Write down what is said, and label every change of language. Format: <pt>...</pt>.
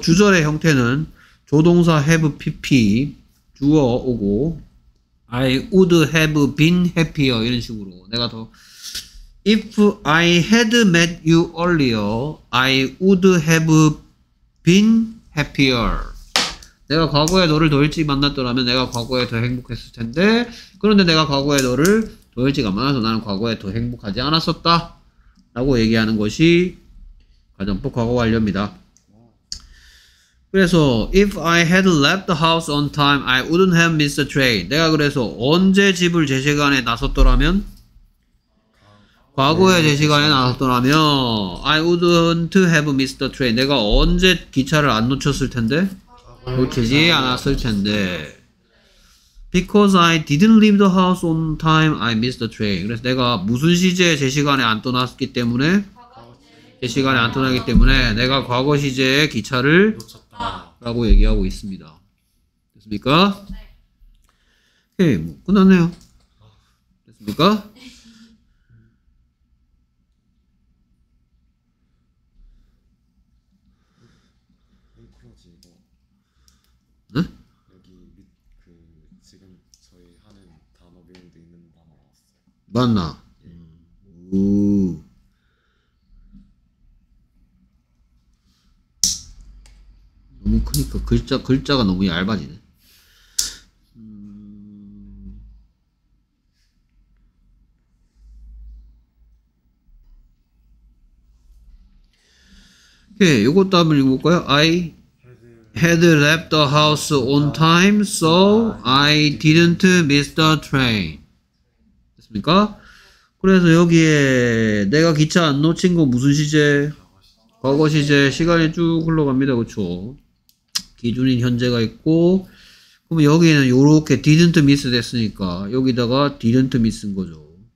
<ko>주절의 형태는 조동사</ko> <en>have pp</en> <ko>주어 오고</ko> <en>I would have been happier</en> <ko>이런 식으로 내가 더</ko> <en>If I had met you earlier, I would have been happier.</en> <ko>내가 과거에 너를 더 일찍 만났더라면 내가 과거에 더 행복했을 텐데 그런데 내가 과거에 너를 더 일찍 안 만나서 나는 과거에 더 행복하지 않았었다 라고 얘기하는 것이 가정법 과거 완료입니다. 그래서</ko> <en>If I had left the house on time, I wouldn't have missed the train.</en> <ko>내가 그래서 언제 집을 제 시간에 나섰더라면 과거에 제 시간에 나섰더라면</ko> <en>I wouldn't have missed the train.</en> <ko>내가 언제 기차를 안 놓쳤을 텐데? 놓치지 않았을 텐데.</ko> <en>Because I didn't leave the house on time, I missed the train.</en> <ko>그래서 내가 무슨 시제에 제 시간에 안 떠났기 때문에? 제 시간에 안 떠나기 때문에 내가 과거 시제에 기차를 놓쳤다 라고 얘기하고 있습니다. 됐습니까? 네. 오케이, 뭐 끝났네요. 됐습니까? 맞나? 너무 크니까 글자가 너무 얇아지네. 오케이, 이것도 한번 읽어볼까요?</ko> <en>I had left the house on time, so I didn't miss the train.</en> <ko>그래서 여기에 내가 기차 안 놓친 거 무슨 시제? 과거 시제. 시간이 쭉 흘러갑니다. 그쵸? 기준인 현재가 있고 그럼 여기에는 요렇게 didn't miss 됐으니까 여기다가 didn't miss인 거죠.</ko>